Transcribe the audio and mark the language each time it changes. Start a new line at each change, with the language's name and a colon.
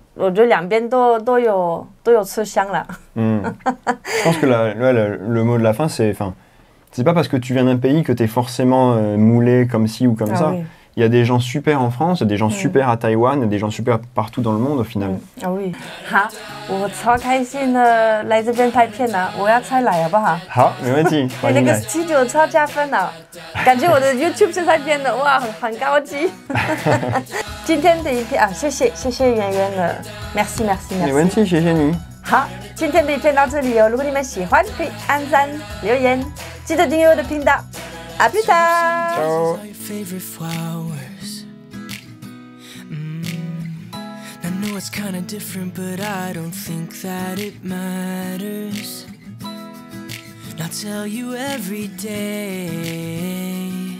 French: Je pense que le mot de la fin, c'est... C'est pas parce que tu viens d'un pays que t'es forcément moulé comme ci ou comme ah ça. Oui. Il y a des gens super en France, des gens super à Taïwan, des gens super partout dans le monde au final. Ah oui.
Chinese: Ha, 我超开心的来这边拍片呢，我要再来好不好？好，没问题。你那个studio超加分的，感觉我的 YouTube 正在变的，哇，很高级。今天的一片啊，谢谢圆圆的 ，merci。没问题，谢谢你。好，今天的一片到这里哦。如果你们喜欢，可以按赞留言。记得订阅我的频道，阿皮达。 Ciao.
English: favorite flowers. I know it's kind of different, but I don't think that it matters. I'll tell you every day.